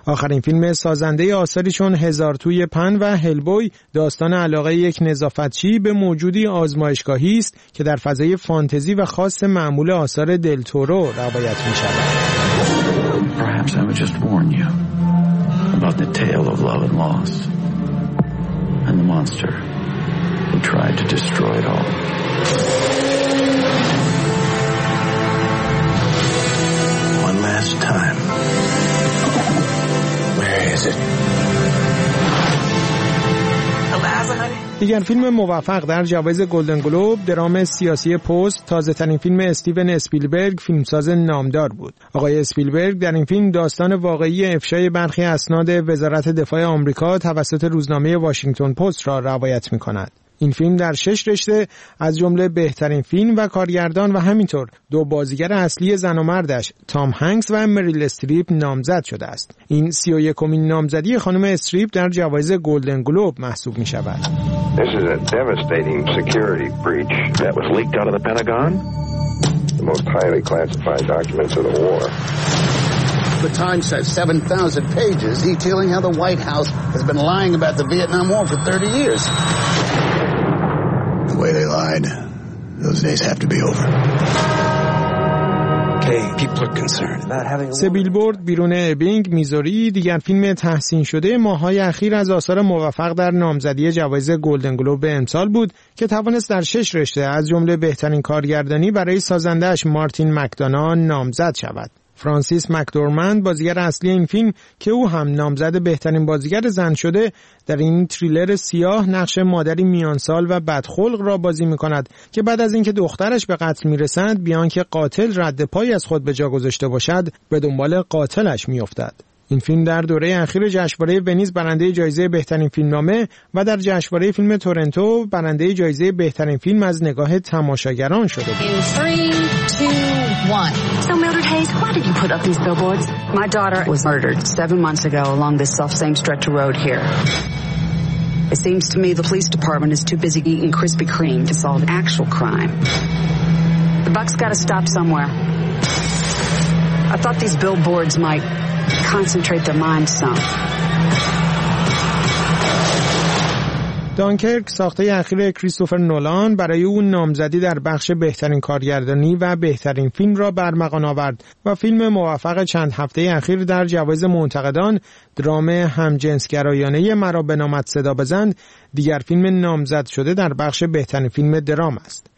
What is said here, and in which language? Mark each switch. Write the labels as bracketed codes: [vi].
[fa] آخرین فیلم سازنده آثاری چون هزار توی پن و هلبوی داستان علاقه یک نظافتچی به موجودی آزمایشگاهی است که در فضای فانتزی و خاص معمول آثار دلتورو روایت می‌شود. [en] About the tale of love and loss and the monster who tried to destroy it all. One last time. Where is it? [fa] دیگر فیلم موفق در جوایز گلدن گلوب درام سیاسی پست تازه‌ترین فیلم استیون اسپیلبرگ فیلمساز نامدار بود. آقای اسپیلبرگ در این فیلم داستان واقعی افشای برخی اسناد وزارت دفاع آمریکا توسط روزنامه واشنگتن پست را روایت می‌کند. این فیلم در 6 رشته از جمله بهترین فیلم و کارگردان و همینطور دو بازیگر اصلی زن و مردش تام هنگس و مریل استریپ نامزد شده است. این 31مین نامزدی خانم استریپ در جوایز گلدن گلوب محسوب می شود. [en] This is a devastating security breach that was leaked out of the Pentagon. The most highly classified documents of the war. The Times has 7,000 pages detailing how the White House has been lying about the Vietnam War for 30 years. The way they lied, those days have to be over. [fa] سه بیلبورد بیرون ابینگ میزوری دیگر فیلم تحسین شده ماهای اخیر از آثار موفق در نامزدی جوایز گلدن گلوب به امسال بود که توانست در 6 رشته از جمله بهترین کارگردانی برای سازندهش مارتین مکدانا نامزد شود. فرانسیس مکدورمند بازیگر اصلی این فیلم که او هم نامزد بهترین بازیگر زن شده در این تریلر سیاه نقش مادری میانسال و بدخلق را بازی می‌کند که بعد از اینکه دخترش به قتل می‌رسد بیان که قاتل رد پای از خود به جا گذاشته باشد به دنبال قاتلش می‌افتد. این فیلم در دوره اخیر جشنواره ونیز برنده جایزه بهترین فیلمنامه و در جشنواره فیلم تورنتو برنده جایزه بهترین فیلم از نگاه تماشاگران شده بود. [en] 3, 2, 1. So Mildred Hayes, why did you put up these billboards? My daughter was murdered 7 months ago along this self-same stretch of road here. It seems to me the police department is too busy eating Krispy Kreme to solve actual crime. The buck's got to stop somewhere. I thought these billboards might concentrate their minds some. [fa] دانکرک ساخته اخیر کریستوفر نولان برای اون نامزدی در بخش بهترین کارگردانی و بهترین فیلم را برمقان آورد و فیلم موفق چند هفته اخیر در جوایز منتقدان درام همجنسگرایانه مرا به نامت صدا بزند دیگر فیلم نامزد شده در بخش بهترین فیلم درام است.